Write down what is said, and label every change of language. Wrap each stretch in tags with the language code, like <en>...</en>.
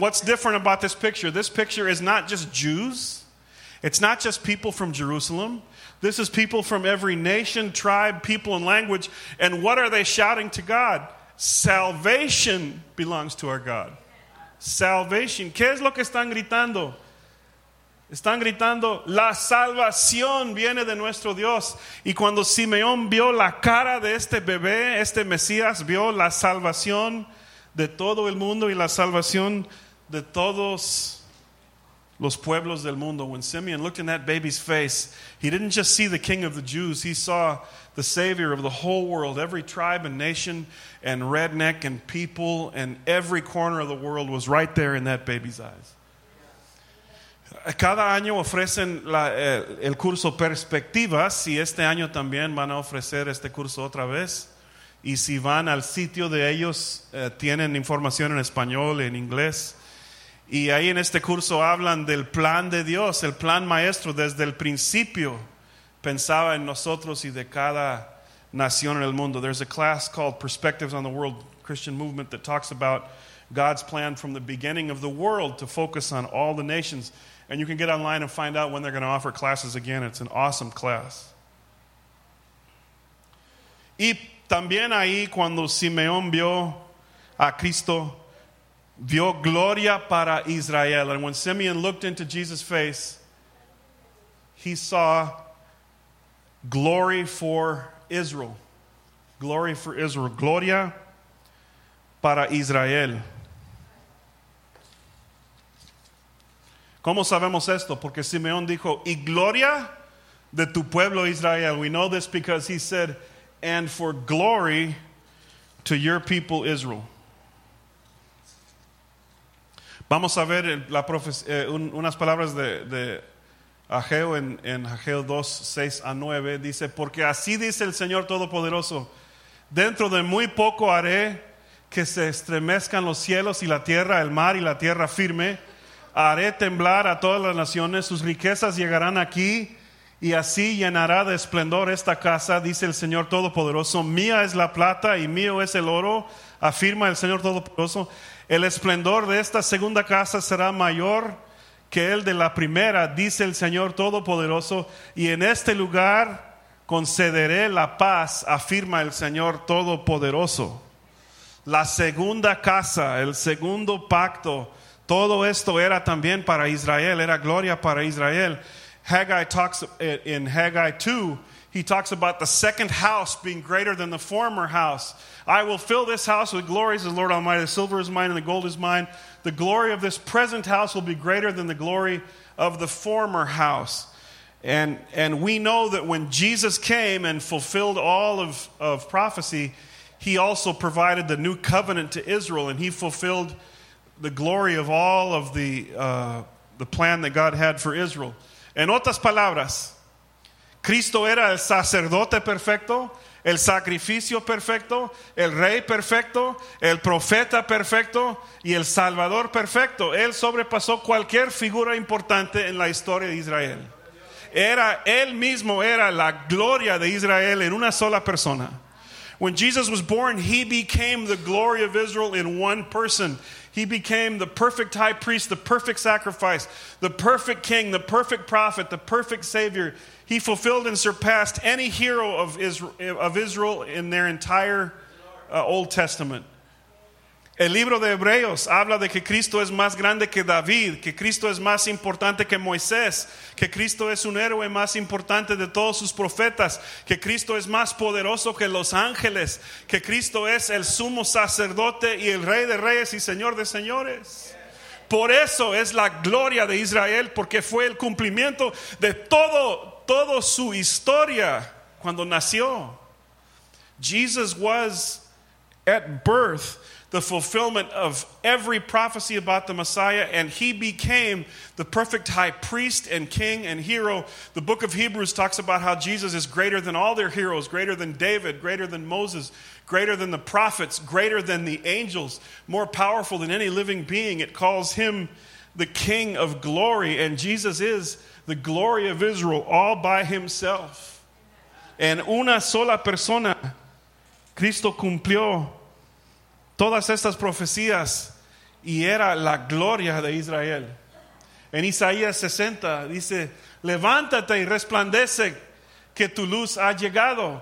<en>What's different about this picture? This picture is not just Jews. It's not just people from Jerusalem. This is people from every nation, tribe, people, and language. And what are they shouting to God? Salvation belongs to our God. Salvation.</en> <es>¿Qué es lo que están gritando? Están gritando, la salvación viene de nuestro Dios. Y cuando Simeón vio la cara de este bebé, este Mesías, vio la salvación de todo el mundo y la salvación de todos los pueblos del mundo.</es> <en>When Simeon looked in that baby's face, he didn't just see the King of the Jews, he saw the Savior of the whole world. Every tribe and nation and redneck and people and every corner of the world was right there in that baby's eyes.</en> <es>Cada año ofrecen el curso Perspectivas y este año también van a ofrecer este curso otra vez. Y si van al sitio de ellos, tienen información en español, en inglés. Y ahí en este curso hablan del plan de Dios, el plan maestro. Desde el principio pensaba en nosotros y de cada nación en el mundo.</es> <en>There's a class called Perspectives on the World Christian Movement that talks about God's plan from the beginning of the world to focus on all the nations. And you can get online and find out when they're going to offer classes again. It's an awesome class.</en> <es>Y también ahí cuando Simeón vio a Cristo, vio gloria para Israel.</es> <en>And when Simeon looked into Jesus' face, he saw glory for Israel. Glory for Israel.</en> <es>Gloria para Israel. ¿Cómo sabemos esto? Porque Simeón dijo, y gloria de tu pueblo Israel.</es> <en>We know this because he said, and for glory to your people Israel.</en> <es>Vamos a ver unas palabras de Ageo en Ageo 2, 6 a 9. Dice, porque así dice el Señor Todopoderoso, dentro de muy poco haré que se estremezcan los cielos y la tierra, el mar y la tierra firme. Haré temblar a todas las naciones, sus riquezas llegarán aquí y así llenará de esplendor esta casa, dice el Señor Todopoderoso. Mía es la plata y mío es el oro, afirma el Señor Todopoderoso. El esplendor de esta segunda casa será mayor que el de la primera, dice el Señor Todopoderoso. Y en este lugar concederé la paz, afirma el Señor Todopoderoso. La segunda casa, el segundo pacto. Todo esto era también para Israel, era gloria para Israel.</es> <en>Haggai talks in Haggai 2, he talks about the second house being greater than the former house. I will fill this house with glory, says the Lord Almighty. The silver is mine and the gold is mine. The glory of this present house will be greater than the glory of the former house. And we know that when Jesus came and fulfilled all of prophecy, he also provided the new covenant to Israel, and he fulfilled the glory of all of the plan that God had for Israel.</en> <es>En otras palabras, Cristo era el sacerdote perfecto, el sacrificio perfecto, el rey perfecto, el profeta perfecto y el salvador perfecto. Él sobrepasó cualquier figura importante en la historia de Israel. Era él mismo, era la gloria de Israel en una sola persona.</es> <en>When Jesus was born, he became the glory of Israel in one person. He became the perfect high priest, the perfect sacrifice, the perfect king, the perfect prophet, the perfect savior. He fulfilled and surpassed any hero of Israel in their entire Old Testament.</en> <es>El libro de Hebreos habla de que Cristo es más grande que David, que Cristo es más importante que Moisés, que Cristo es un héroe más importante de todos sus profetas, que Cristo es más poderoso que los ángeles, que Cristo es el sumo sacerdote y el rey de reyes y señor de señores. Por eso es la gloria de Israel, porque fue el cumplimiento de todo su historia cuando nació.</es> <en>Jesus was at birth the fulfillment of every prophecy about the Messiah, and he became the perfect high priest and king and hero. The book of Hebrews talks about how Jesus is greater than all their heroes, greater than David, greater than Moses, greater than the prophets, greater than the angels, more powerful than any living being. It calls him the King of Glory, and Jesus is the glory of Israel all by himself.</en> <es>En una sola persona, Cristo cumplió todas estas profecías y era la gloria de Israel. En Isaías 60 dice, levántate y resplandece, que tu luz ha llegado.</es>